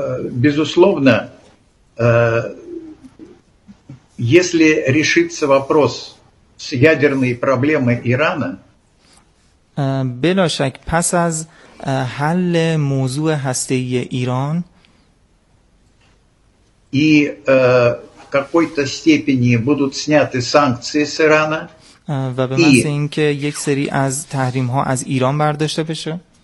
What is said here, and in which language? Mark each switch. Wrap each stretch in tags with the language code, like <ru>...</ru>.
<ru>безусловно если решится вопрос с ядерной проблемой Ирана</ru> <fa>بلا شک پس از حل موضوع هسته‌ای ایران و</fa> <ru>в какой-то степени будут сняты санкции с Ирана</ru> <fa>و به معنی اینکه یک سری از تحریم‌ها از ایران برداشته بشه</fa>